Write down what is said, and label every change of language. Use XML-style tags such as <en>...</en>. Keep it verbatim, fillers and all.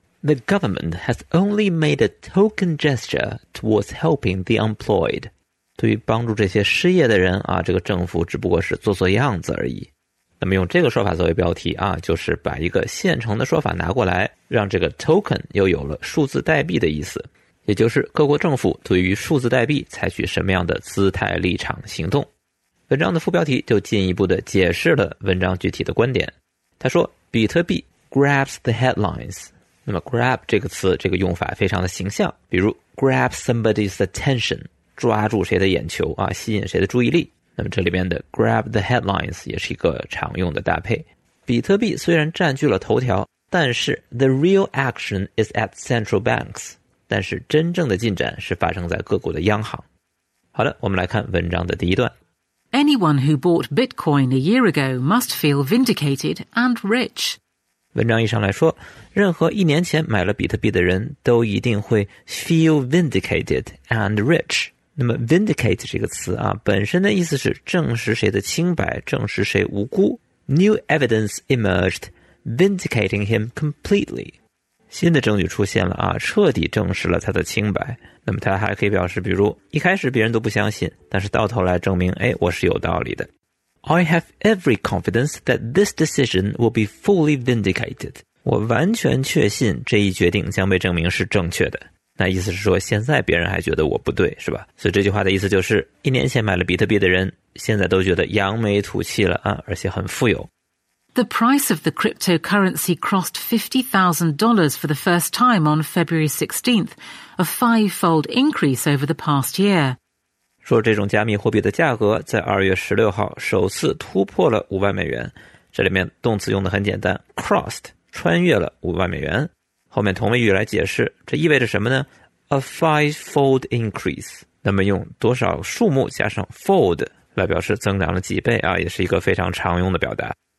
<en>The government has only made a token gesture towards helping the unemployed。</en> <zh>对于帮助这些失业的人啊，这个政府只不过是做做样子而已。那么用这个说法作为标题啊，就是把一个现成的说法拿过来，让这个 token 又有了数字代币的意思，也就是各国政府对于数字代币采取什么样的姿态、立场、行动。文章的副标题就进一步的解释了文章具体的观点。他说，比特币</zh> <en>grabs the headlines。</en> <zh>那么 grab 这个词，这个用法非常的形象，比如</zh> <en>grab somebody's attention，</en> <zh>抓住谁的眼球啊，吸引谁的注意力。那么这里边的</zh> <en>grab the headlines</en> <zh>也是一个常用的搭配。比特币虽然占据了头条，但是</zh> <en>the real action is at central banks。</en> <zh>但是真正的进展是发生在各国的央行。好了，我们来看文章的第一段。</zh> <en>Anyone who bought Bitcoin a year ago must feel vindicated and rich。</en> <zh>文章一上来说，任何一年前买了比特币的人都一定会</zh> <en>feel vindicated and rich。</en> <zh>那么 vindicate 这个词啊，本身的意思是证实谁的清白，证实谁无辜。</zh> <en>New evidence emerged vindicating him completely。</en> <zh>新的证据出现了啊，彻底证实了他的清白。那么他还可以表示，比如一开始别人都不相信，但是到头来证明，哎，我是有道理的。</zh> <en>I have every confidence that this decision will be fully vindicated。</en> <zh>我完全确信这一决定将被证明是正确的。那意思是说，现在别人还觉得我不对，是吧？所以这句话的意思就是，一年前买了比特币的人，现在都觉得扬眉吐气了啊，而且很富有。</zh> <en>The price of the cryptocurrency crossed fifty thousand dollars for the first time on February sixteenth, a five-fold increase over the past year.</en> <zh>说这种加密货币的价格在二月十六号首次突破了五万美元。这里面动词用的很简单 crossed 穿越了五万美元。后面同位语来解释，这意味着什么呢？</zh> <en>A five-fold increase。</en> <zh>那么用多少数目加上 fold 来表示增长了几倍啊，也是一个非常常用的表达。</zh>